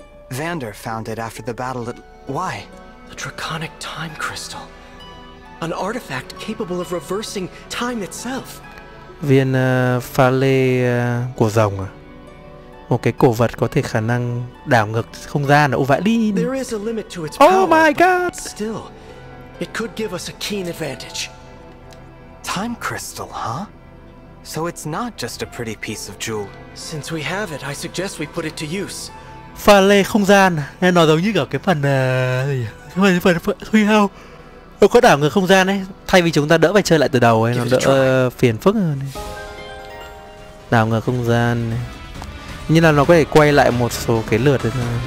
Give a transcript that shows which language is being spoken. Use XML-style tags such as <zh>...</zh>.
<en>Vander found it after the battle at... Why? The Draconic Time Crystal. An artifact capable of reversing time itself.</en> <vi>Viên pha lê của rồng à? Một cái cổ vật có thể khả năng đảo ngược không gian. Ô vãi lìn.</vi> <en>There is a limit to its power. Oh my god! Still, it could give us a keen advantage. Time Crystal, huh? So it's not just a pretty piece of jewel. Since we have it, I suggest we put it to use.</en> <vi>Pha lê không gian, nghe nói giống như kiểu cái phần gì? Phần huy hao. Nó có đảo ngược không gian ấy, thay vì chúng ta đỡ phải chơi lại từ đầu ấy, nó đỡ phiền phức hơn ấy. Đảo ngược không gian này. Như là nó có thể quay lại một số cái lượt ấy thôi.</vi>